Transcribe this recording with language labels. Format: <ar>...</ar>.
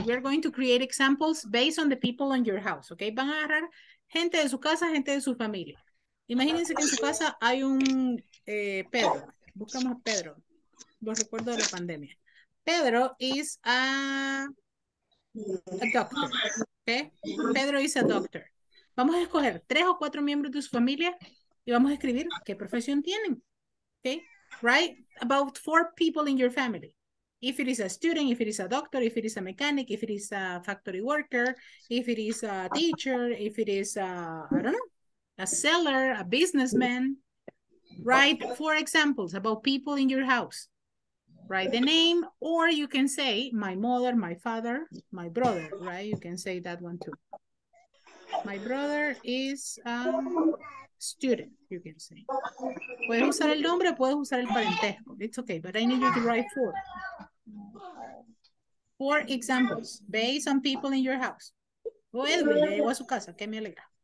<en>We are going to create examples based on the people in your house.</en> <es>Okay. Van a agarrar gente de su casa, gente de su familia. Imagínense que en su casa hay un Pedro. Buscamos a Pedro. Lo recuerdo de la pandemia.</es> <en>Pedro is a doctor. Okay. Pedro is a doctor.</en> <es>Vamos a escoger tres o cuatro miembros de su familia y vamos a escribir qué profesión tienen.</es> <en>Okay. Write about four people in your family. If it is a student, if it is a doctor, if it is a mechanic, if it is a factory worker, if it is a teacher, if it is a, I don't know, a seller, a businessman. Write four examples about people in your house. Write the name, or you can say my mother, my father, my brother, right? You can say that one too. My brother is a student, you can say.</en> <es>Puedes usar el nombre, puedes usar el parentesco.</es> <en>It's okay, but I need you to write four. Four examples based on people in your house.</en> <es>Oh, Edwin, llegó a su casa, que me alegra.</es>